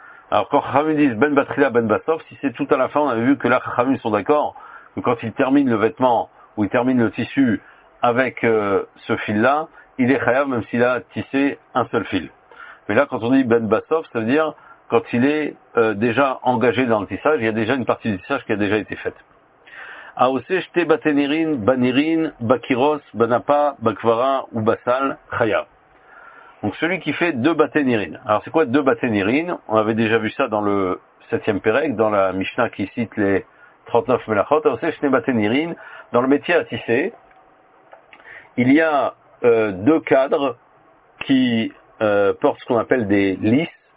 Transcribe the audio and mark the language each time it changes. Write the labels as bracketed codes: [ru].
[fr] Alors quand Chachamim disent ben batrila ben basof, si c'est tout à la fin, on avait vu que là Chachamim sont d'accord que quand il termine le vêtement ou il termine le tissu avec ce fil-là, il est chayav même s'il a tissé un seul fil. Mais là quand on dit ben basof, ça veut dire quand il est déjà engagé dans le tissage, il y a déjà une partie du tissage qui a déjà été faite. [he] העושה שתי בתי נירין, בנירין, בקירוס, בנפה, בקברה ובסל, חייב. [fr] Donc celui qui fait deux bâtés nirin. Alors c'est quoi deux bâtés nirin? On avait déjà vu ça dans le 7e Pérec, dans la Mishnah qui cite les 39 melachot. Alors c'est shnei bâtés nirin. Dans le métier à tisser, il y a deux cadres qui portent ce qu'on appelle des lisses.